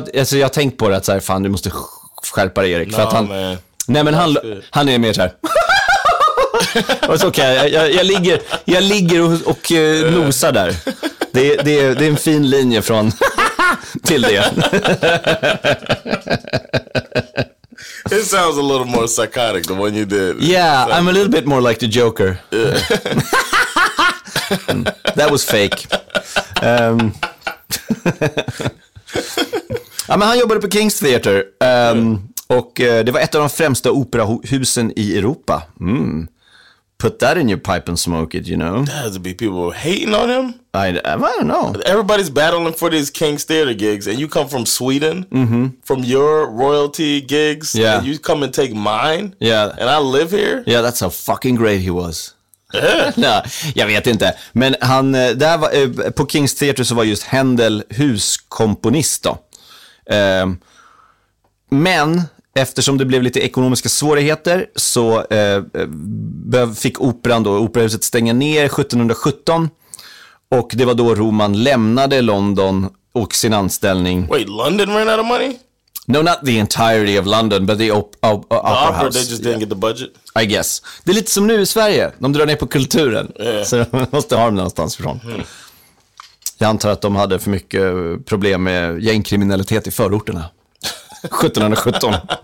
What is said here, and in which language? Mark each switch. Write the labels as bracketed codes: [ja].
[sv] Jag tänkte på det att så här, fan, du måste skärpa dig, Erik. No, för att han... man. Nej, men han är mer så här. Och så okay, jag ligger och nosar där. Det är en fin linje från till det. [en] It sounds a little more psychotic than when you did. Yeah, so. I'm a little bit more like the Joker. Yeah. That was fake. [sv] ja, men han jobbade på King's Theatre. Och det var ett av de främsta operahusen i Europa. Mm. [en] Put that in your pipe and smoke it, you know? There has to be people hating on him. I don't know. Everybody's battling for these King's Theatre gigs, and you come from Sweden, mm-hmm. from your royalty gigs, yeah. and you come and take mine, yeah. and I live here. Yeah, that's how fucking great he was. [sv] Nej, jag vet inte. Men han, där var, på King's Theatre så var just Händel huskomponist då. Men eftersom det blev lite ekonomiska svårigheter så fick operan då, operahuset stänga ner 1717. Och det var då Roman lämnade London och sin anställning. [en] Wait, London ran out of money? No, not the entirety of London, but the opera house. They just didn't get the budget? I guess. [sv] Det är lite som nu i Sverige. De drar ner på kulturen. Yeah. Så de måste ha dem någonstans ifrån. Mm. Jag antar att de hade för mycket problem med gängkriminalitet i förorterna. 1717.